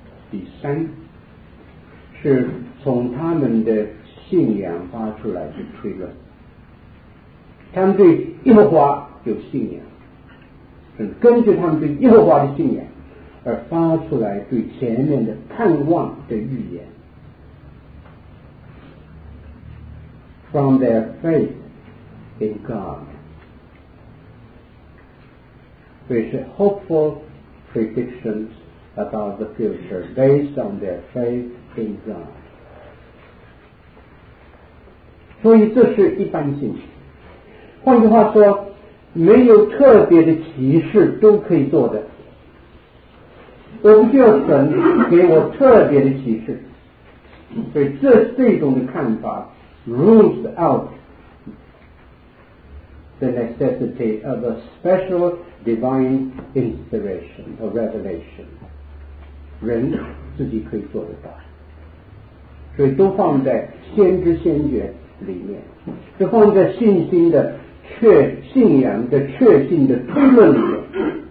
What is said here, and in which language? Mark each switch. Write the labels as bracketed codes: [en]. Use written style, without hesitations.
[zh] 第三，是从他们的信仰发出来的推论，他们对耶和华有信仰，根据他们对耶和华的信仰而发出来对前面的盼望的预言。 [en] From their faith in God， [zh] 所以是 [en] hopeful predictions about the future based on their faith in God。 [zh] 所以这是一般性，换句话说，没有特别的启示都可以做的，我不需要神给我特别的启示，所以这种的看法 [en] rules out the necessity of a special divine inspiration or revelation. [zh] 人自己可以做得到，所以都放在先知先觉里面，就放在信心的确信仰的确信的推论里面。